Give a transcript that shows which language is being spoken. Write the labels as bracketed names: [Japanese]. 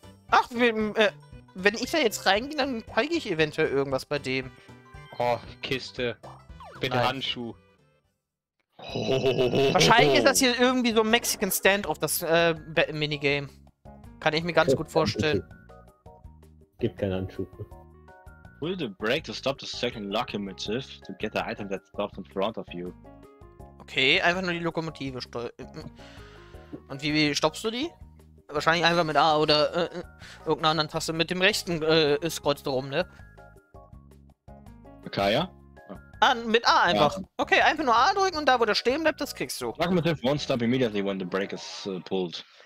[German] Ach, wenn ich da jetzt reingehe, dann kriege ich eventuell irgendwas bei dem. Oh, Kiste. Bitte Handschuh. Wahrscheinlich ist das hier irgendwie so ein Mexican Standoff, das Minigame. Kann ich mir ganz gut vorstellen. Gibt keinen Handschuh. [English] Pull the brake to stop the second locomotive to get the item that stops in front of you. [German] Okay, einfach nur die Lokomotive steuern. Und wie stoppst du die? Wahrscheinlich einfach mit A oder irgendeiner anderen Taste mit dem rechten Kreuz drum, ne? Okay, ja? Mit A einfach. Ja. Okay, einfach nur A drücken und da, wo der stehen bleibt, das kriegst du. [English] Locomotive won't stop immediately when the brake is pulled.